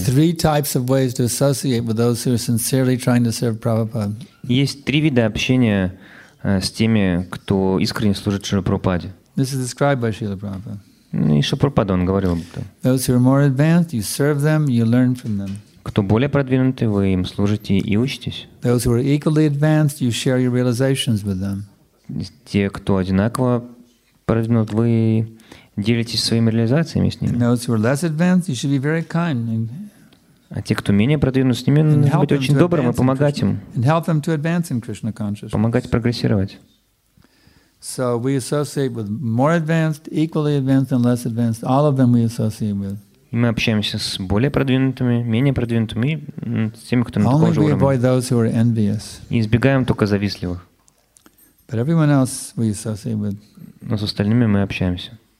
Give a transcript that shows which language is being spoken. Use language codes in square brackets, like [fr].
[en] There's three types of ways to associate with those who are sincerely trying to serve Prabhupada. [ru] Есть три вида общения с теми, кто искренне служит Шриле Прабхупаде. [en] This is described by Srila Prabhupada. [ru] И Шрила Прабхупада он говорил об этом. [en] Those who are more advanced, you serve them, you learn from them. [ru] Кто более продвинутый, вы им служите и учитесь. [en] Those who are equally advanced, you share your realizations with them. [ru] Те, кто одинаково продвинут, вы делитесь своими реализациями с ними. [en] Those who are less advanced, you should be very kind. [ru] А те, кто менее продвинут, с ними нужно быть очень добрым и помогать им. [en] And help them to advance in Krishna consciousness. [ru] Помогать прогрессировать. [en] So we associate with more advanced, equally advanced, and less advanced. All of them we associate with. [ru] И мы общаемся с более продвинутыми, менее продвинутыми, с теми, кто на таком же уровне. [en] Only we avoid those who are envious. [ru] И избегаем только завистливых. [en] But everyone else we associate with. [ru] Но с остальными мы общаемся.